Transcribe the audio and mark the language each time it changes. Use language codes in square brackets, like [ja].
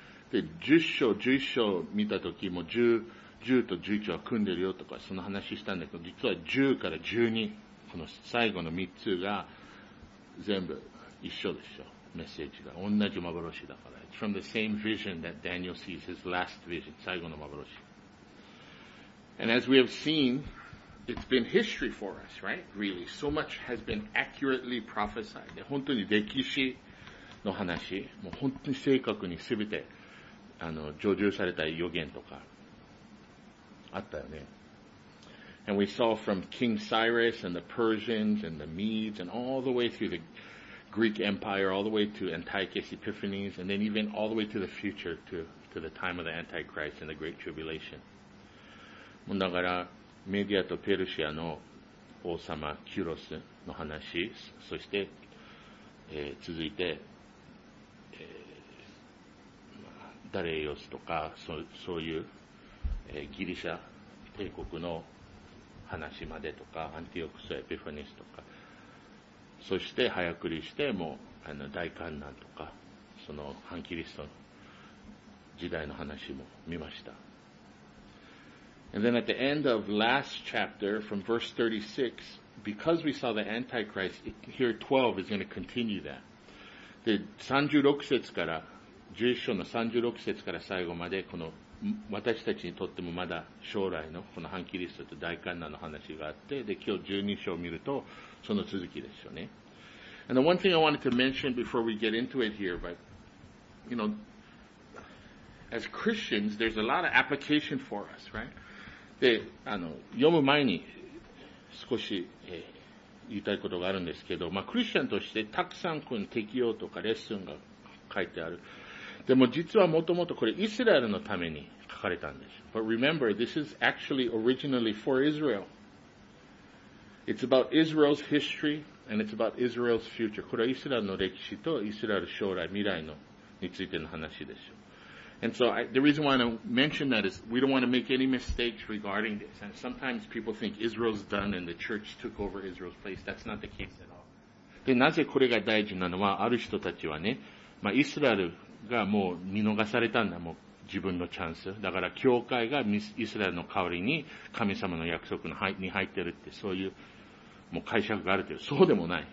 [ja] で、10章見たときも10と11は組んでるよとかその話したんだけど、実は10から12、この最後の3つが全部一緒でしょ。メッセージが。同じ幻だから。 [en] It's from the same vision that Daniel sees, his last vision, [ja] 最後の幻。 [en] And as we have seen,It's been history for us, right? Really. So much has been accurately prophesied. [ja] 本当に歴史の話、もう本当に正確に全て、成就された予言とか、あったよね。 [en] And we saw from King Cyrus and the Persians and the Medes and all the way through the Greek Empire, all the way to Antiochus Epiphanes, and then even all the way to the future, to the time of the Antichrist and the Great Tribulation. [ja] もうだから、メディアとペルシアの王様キュロスの話、そして、続いて、ダレイオスとか、そういう、ギリシャ帝国の話までとか、アンティオクス、エピファニスとか、そして早送りして、もう大観難とか、その反キリストの時代の話も見ました。 [en] And then at the end of last chapter, from verse 36, because we saw the Antichrist, here 12 is going to continue that. [ja] で、36節から、11章の36節から最後まで、この、私たちにとってもまだ将来の、この反キリストと大観難の話があって、で、今日12章を見ると、その続きですよね。 [en] And the one thing I wanted to mention before we get into it here, but, you know, as Christians, there's a lot of application for us, right? [ja] で、読む前に少し、言いたいことがあるんですけど、まあ、クリスチャンとしてたくさんこの適用とかレッスンが書いてある。でも実はもともとこれイスラエルのために書かれたんです。 [en] But remember, this is actually originally for Israel. It's about Israel's history and it's about Israel's future. [ja] これはイスラエルの歴史とイスラエル将来未来のについての話でしょう。 [en] And so the reason why I mention that is we don't want to make any mistakes regarding this. And sometimes people think Israel's done and the church took over Israel's place. That's not the case at all. [ja] で、なぜこれが大事なのは、ある人たちはね、まあ、イスラエルがもう見逃されたんだ、もう自分のチャンス。だから教会がイスラエルの代わりに神様の約束に入ってるって、そういう、もう解釈があるという。そうでもない。